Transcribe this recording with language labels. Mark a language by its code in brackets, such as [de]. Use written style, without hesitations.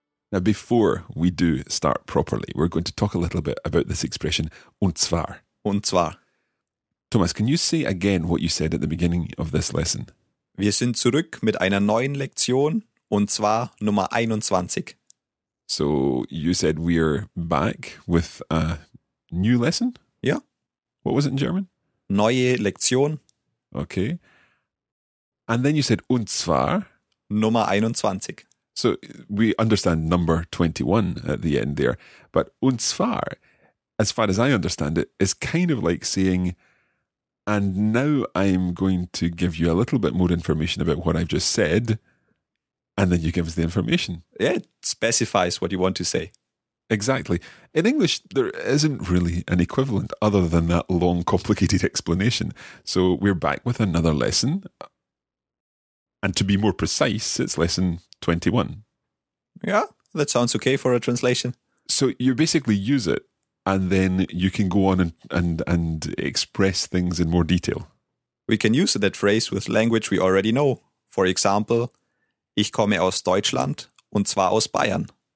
[en] Now, before we do start properly, we're going to talk a little bit about this expression, [de] und zwar. Und zwar. [en] Thomas, can you say again what you said at the beginning of this lesson? [de] Wir sind zurück mit einer neuen Lektion, und zwar Nummer 21. [en] So you said we're back with a new lesson? Yeah. What was it in German? [de] Neue Lektion. [en] Okay. And then you said, [de] und zwar? Nummer 21. [en] So we understand number 21 at the end there. But und zwar, as far as I understand it, is kind of like saying, and now I'm going to give you a little bit more information about what I've just said. And then you give us the information. Yeah, it specifies what you want to say. Exactly. In English, there isn't really an equivalent other than that long, complicated explanation. So we're back with another lesson. And to be more precise, it's lesson 21. Yeah, that sounds okay for a translation. So you basically use it and then you can go on and express things in more detail. We can use that phrase with language we already know. For example, [de] ich komme aus Deutschland, und zwar aus Bayern.